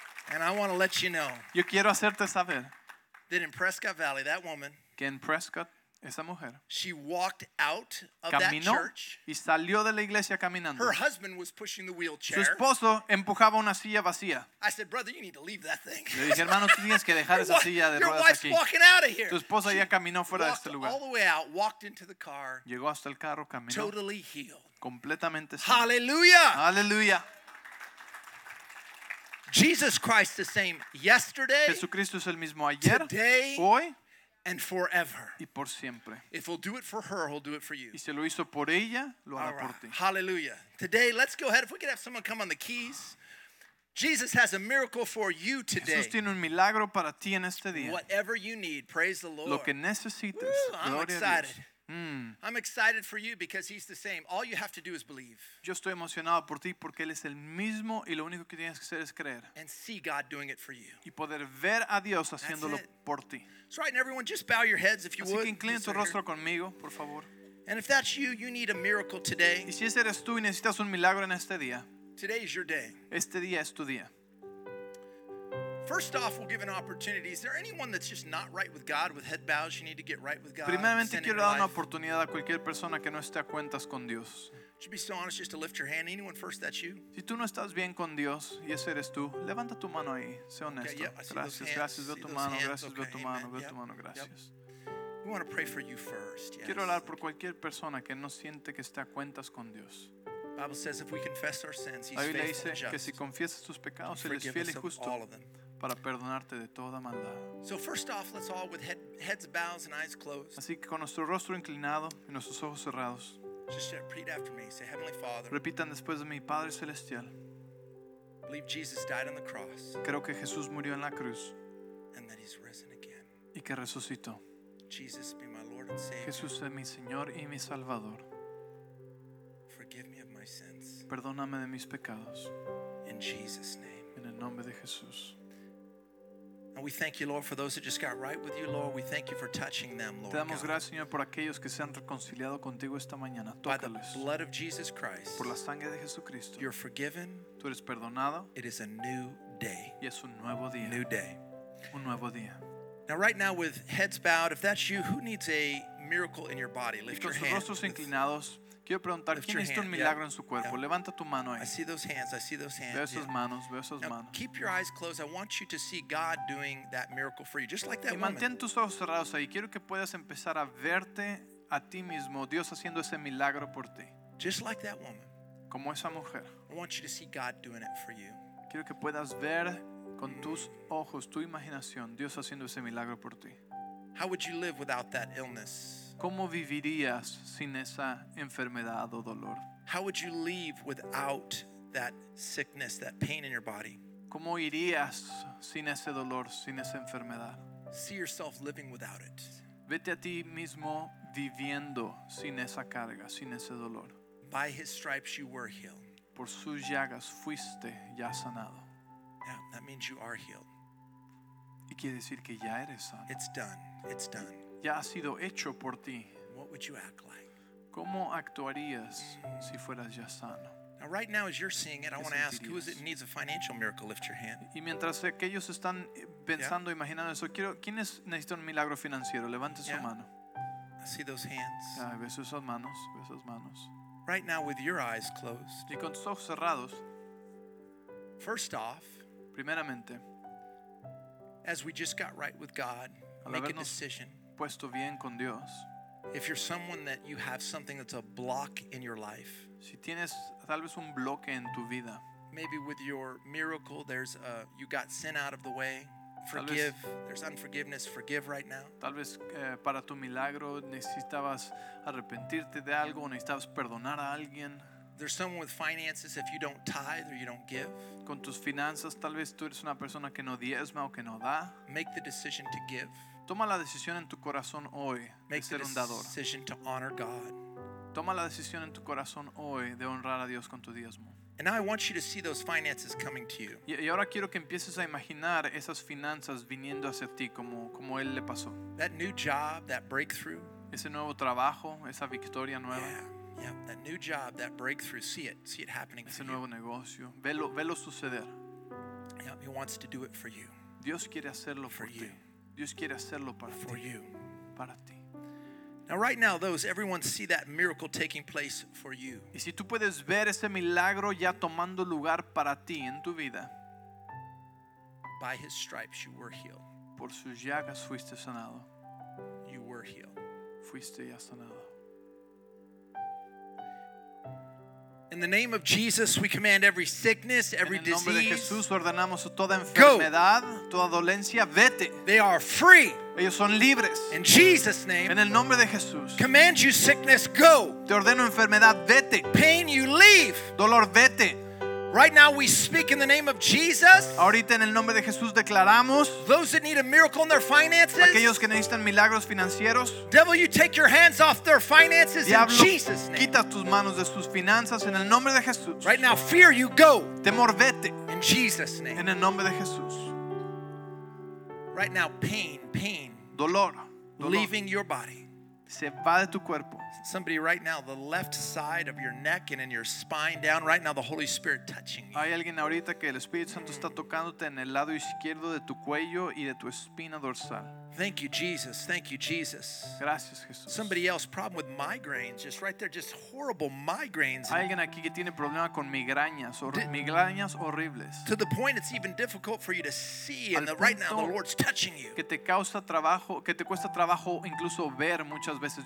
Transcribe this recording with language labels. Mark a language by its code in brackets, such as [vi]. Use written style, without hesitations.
[en] And I want to let you know. [es] Yo quiero hacerte saber. [en] That in Prescott Valley, that woman. [es] Que en Prescott, esa mujer. [en] She walked out of that church. [es] Y salió de la iglesia caminando. [en] Her husband was pushing the wheelchair. [es] Su esposo empujaba una silla vacía. [en] I said, brother, you need to leave that thing. [es] Le dije, hermano, tienes que dejar esa silla de ruedas aquí. [en] Your wife's walking out of here. [es] Tu esposa ya caminó fuera de este lugar. [en] All the way out, walked into the car. [es] Llegó hasta el carro, caminó. [en] Totally healed. [es] Completamente sano. [en] Hallelujah. [es] Hallelujah. [en] Jesus Christ the same yesterday. [es] Jesucristo es el mismo ayer, [en] today, [es] hoy. [en] And forever. [es] Y por siempre. [en] If he'll do it for her, he'll do it for you. [es] Y si lo hizo por ella, lo hará por ti. [en] Hallelujah. Today, let's go ahead. If we could have someone come on the keys. Jesus has a miracle for you today. [es] Jesús tiene un milagro para ti en este día. [en] Whatever you need, praise the Lord. [es] Lo que necesites, gloria a Dios. [en] I'm excited for you because he's the same. All you have to do is believe. [es] Yo estoy emocionado por ti porque él es el mismo y lo único que tienes que hacer es creer. [en] And see God doing it for you. [es] Y poder ver a Dios haciéndolo por ti. [en] That's right, and everyone, just bow your heads if you would. [es] Así que inclina tu rostro conmigo, por favor. [en] And if that's you, you need a miracle today. [es] Y si ese eres tú y necesitas un milagro en este día. [en] Today is your day. [es] Este día es tu día. [en] First off, we'll give an opportunity. Is there anyone that's just not right with God, with head bows, you need to get right with God? [es] Primeramente quiero dar una oportunidad a cualquier persona que no esté a cuentas con Dios. [en] Should be so honest just to lift your hand. Anyone first, that's you. [es] Si tú no estás bien con Dios y ese eres tú, levanta tu mano ahí. Sé honesto. [en] Okay, yep, [es] gracias. Veo tu mano. [en] Hands. [es] Gracias. [en] Okay, [es] veo tu mano. Veo tu mano. Gracias. [en] We want to pray for you first. Yes. [es] Quiero orar por cualquier persona que no siente que está a cuentas con Dios. [en] Bible says if we confess our sins, he's faithful and just. [es] La Biblia dice que si confiesas tus pecados, él es fiel y justo para perdonarte de toda maldad. [en] So first off, let's all with heads bowed and eyes closed. [es] Así que con nuestro rostro inclinado y nuestros ojos cerrados. [en] Just repeat after me. Say, Heavenly Father. [es] Repitan después de mí, Padre Celestial. [en] Believe Jesus died on the cross. [es] Creo que Jesús murió en la cruz. [en] And that He's risen again. [es] Y que resucitó. [en] Jesus be my Lord and Savior. [es] Jesús es mi Señor y mi Salvador. [en] Forgive me of my sins. [es] Perdóname de mis pecados. [en] In Jesus' name. [es] En el nombre de Jesús. [en] And we thank you, Lord, for those that just got right with you, Lord. We thank you for touching them, Lord. [es] Te damos gracias, Señor, por aquellos que se han reconciliado contigo esta mañana. Tócales. [en] By the blood of Jesus Christ. [es] Por la sangre de Jesucristo. [en] You're forgiven. [es] Tú eres perdonado. [en] It is a new day. [es] Y es un nuevo día. [en] New day. [es] Un nuevo día. [en] Now, right now, with heads bowed, if that's you, who needs a miracle in your body? Lift your hand. [es] Con sus rostros inclinados, quiero preguntar, ¿quién necesita un milagro en su cuerpo? Levanta tu mano ahí. [en] I see those hands. I see those hands. [es] Veo esas manos. Veo esas manos. [en] Keep your eyes closed. I want you to see God doing that miracle for you, just like that woman. [es] Y mantén tus ojos cerrados ahí. Quiero que puedas empezar a verte a ti mismo, Dios haciendo ese milagro por ti. [en] Just like that woman. [es] Como esa mujer. [en] I want you to see God doing it for you. [es] Quiero que puedas ver con tus ojos, tu imaginación, Dios haciendo ese milagro por ti. [en] How would you live without that illness? [es] ¿Cómo vivirías sin esa enfermedad o dolor? [en] How would you leave without that sickness, that pain in your body? [es] ¿Cómo irías sin ese dolor, sin esa enfermedad? [en] See yourself living without it. [es] Vete a ti mismo viviendo sin esa carga, sin ese dolor. [en] By his stripes you were healed. [es] Por sus llagas fuiste ya sanado. [en] Now, that means you are healed. [es] Y quiere decir que ya eres sano. [en] It's done. It's done. [es] Ya ha sido hecho por ti. [en] What would you act like? [es] ¿Cómo actuarías si fueras ya sano? [en] Now, right now, as you're seeing it, I want to ask, who is it needs a financial miracle? Lift your hand. [es] Y mientras aquellos están pensando, yeah, imaginando eso, quiero, ¿quiénes necesitan un milagro financiero? Levante, yeah, su mano. [en] I see those hands. [es] Ah, ves esas manos, ves esas manos. [en] Right now, with your eyes closed. [es] Y con tus ojos cerrados. [en] First off, [es] primeramente, [en] as we just got right with God, make a decision. [es] Puesto bien con Dios. [en] If you're someone that you have something that's a block in your life, [es] si tienes tal vez un bloque en tu vida, [en] maybe with your miracle, there's a, you got sin out of the way. Forgive. There's unforgiveness. Forgive right now. [es] Tal vez para tu milagro necesitabas arrepentirte de algo, necesitabas perdonar a alguien. [en] There's someone with finances. If you don't tithe or you don't give, [es] con tus finanzas, tal vez tú eres una persona que no diezma o que no da. [en] Make the decision to give. [es] Toma la decisión en tu corazón hoy de ser un dador. [en] Decision to honor God. [es] Toma la decisión en tu corazón hoy de honrar a Dios con tu diezmo. [en] And now I want you to see those finances coming to you. [es] Y ahora quiero que empieces a imaginar esas finanzas viniendo hacia ti como él le pasó. [en] That new job, that breakthrough. [es] Ese nuevo trabajo, esa victoria nueva. [en] Yeah, yeah, that new job, that breakthrough. See it happening. [es] Ese nuevo negocio, velo suceder. [en] Yeah, he wants to do it for you. [es] Dios quiere hacerlo por ti. Dios quiere hacerlo para ti. [en] For you. [es] Para ti. [en] Now right now those, everyone see that miracle taking place for you. [es] Y si tú puedes ver ese milagro ya tomando lugar para ti en tu vida. [en] By his stripes you were healed. [es] Por sus llagas fuiste sanado. [en] You were healed. [es] Fuiste ya sanado. [en] In the name of Jesus, we command every sickness, every disease. [es] En el nombre de Jesús ordenamos toda enfermedad, toda dolencia, vete. [en] They are free. [es] Ellos son libres. [en] In Jesus' name. [es] En el nombre de Jesús. [en] Command you sickness, go. [es] Te ordeno enfermedad, vete. [en] Pain, you leave. [es] Dolor, vete. [en] Right now we speak in the name of Jesus. [es] Ahorita en el nombre de Jesús declaramos. [en] Those that need a miracle in their finances. [es] Aquellos que necesitan milagros financieros. [en] Devil, you take your hands off their finances. [es] Diablo, [en] in Jesus' name. [es] Quita tus manos de sus finanzas en el nombre de Jesús. [en] Right now, fear, you go. [es] Temor, vete. [en] In Jesus' name. [es] En el nombre de Jesús. [en] Right now, pain. [es] Dolor. [en] Leaving your body. [es] Se va de tu cuerpo. [en] Somebody right now, the left side of your neck and in your spine down right now, the Holy Spirit touching you. [es] Hay alguien ahorita que el Espíritu Santo está tocándote en el lado izquierdo de tu cuello y de tu espina dorsal. [en] Thank you, Jesus. Thank you, Jesus. [es] Gracias, Jesús. [en] Somebody else, problem with migraines, just right there, just horrible migraines. [es] Hay alguien aquí que tiene problema con migrañas, migrañas horribles. [en] To the point it's even difficult for you to see, and right now the Lord's touching you. [es] Que te causa trabajo, que te cuesta trabajo incluso ver muchas veces.